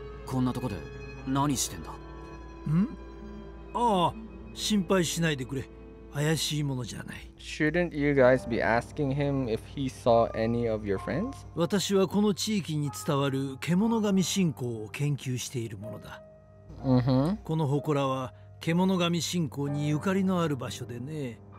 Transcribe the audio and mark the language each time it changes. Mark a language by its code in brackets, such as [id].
[ja] そういうあんたこそ、こんなとこで何してんだ? ん? ああ、心配しないでくれ。怪しいものじゃない。 [en] Shouldn't you guys be asking him if he saw any of your friends? [ja] 私はこの地域に伝わる獣神信仰を研究しているものだ。 Mm-hmm. この祠は獣神信仰にゆかりのある場所でね。